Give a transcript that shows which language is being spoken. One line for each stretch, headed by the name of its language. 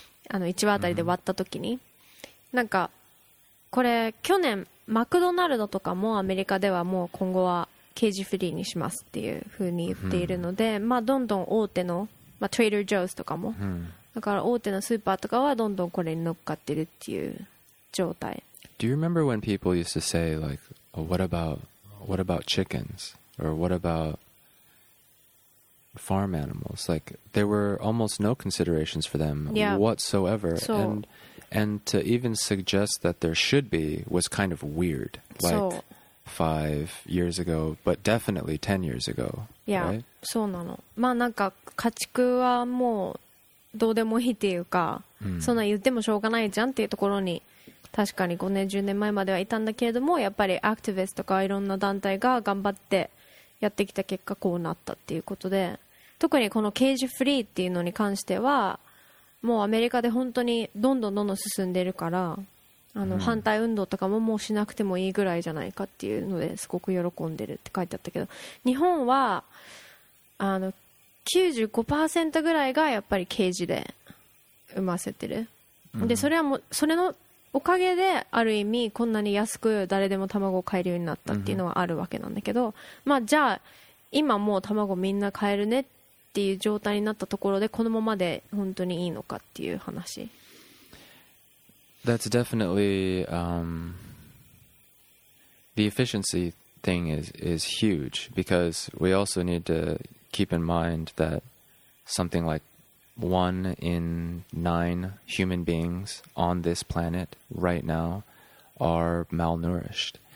Japanese: あの、1羽あたりで割った時に。なんか、これ、去年、マクドナルドとかもアメリカではもう今後はケージフリーにしますっていう風に言っているので、まあ、どんどん大手の、まあ、Trader Joe's とかも、だから大手のスーパーとかはどんどんこれに乗っかってるっていう状態。
English: Do you remember when people used to say, like,What about chickens? Or what about farm animals? Like, there were almost no considerations for them、 yeah. whatsoever. So, and, And to even suggest that there should be was kind of weird, like 5 years ago, but definitely 10 years ago.
Japanese: Yeah, そうなの。まあなんか家畜はもうどうでもいいっていうか、そんな言ってもしょうがないじゃんっていうところに確かに5年10年前まではいたんだけれども、やっぱりアクティビストとかいろんな団体が頑張ってやってきた結果こうなったっていうことで、特にこのケージフリーっていうのに関してはもうアメリカで本当にどんどんどんどん進んでるから、あの反対運動とかももうしなくてもいいぐらいじゃないかっていうのですごく喜んでるって書いてあったけど、日本はあの 95% ぐらいがやっぱりケージで産ませてる、でそれはもうそれのおかげである意味こんなに安く誰でも卵を買えるようになったっていうのはあるわけなんだけど、まあじゃあ今もう卵みんな買えるねっていう状態になったところでこのままで本当にいいのかっていう話。
English: That's definitely the efficiency thing is huge, because we also need to keep in mind that something like 1 in 9 human beings on this planet right now are malnourished.